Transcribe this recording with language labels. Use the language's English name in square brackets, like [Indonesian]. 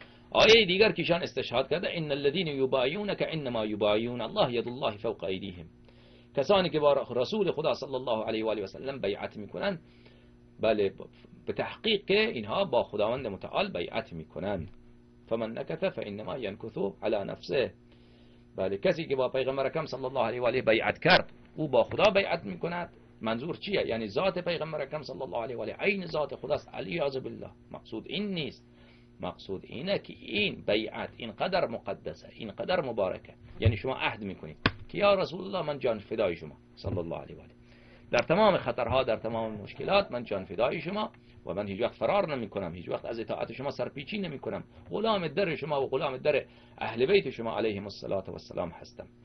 [Persian] آیه دیگر که ایشان استشهاد کرده [Arabic] ان الذين يبايعونك انما يبايعون الله يد الله فوق ايديهم، [Persian] کسانی که با رسول خدا صلی الله علیه و آله و سلم بیعت میکنند بله به تحقیق اینها با خداوند متعال بیعت میکنند. [Arabic] فمن نكث فإنما ينكث على نفسه. [Persian] بله کسی که با پیغمبر کم صلی الله علیه و آله بیعت کرد، او با خدا بیعت میکند. منظور چیه؟ یعنی ذات پیغمبر کم صلی الله علیه و آله عین ذات خداست، علیاذ بالله. مقصود این نیست، مقصود اینه که این بیعت اینقدر مقدسه، اینقدر مبارکه، یعنی شما عهد میکنید که یا رسول الله من جان فدای شما صلی الله علیه و آله، در تمام خطرها، در تمام مشکلات من جان فدای شما و من هیچ وقت فرار نمی کنم، هیچ وقت از اطاعت شما سرپیچی نمی کنم، غلام در شما و غلام در اهل بیت شما علیهم الصلاة والسلام هستم.